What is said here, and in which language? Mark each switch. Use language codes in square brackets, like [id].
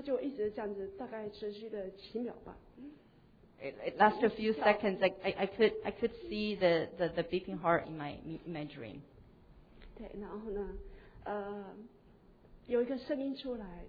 [zh] 然后呢，他就一直这样子，大概持续了几秒吧。 [en] It lasted a few seconds. I could see the beeping heart in my dream. [zh] 对，然后呢，有一个声音出来。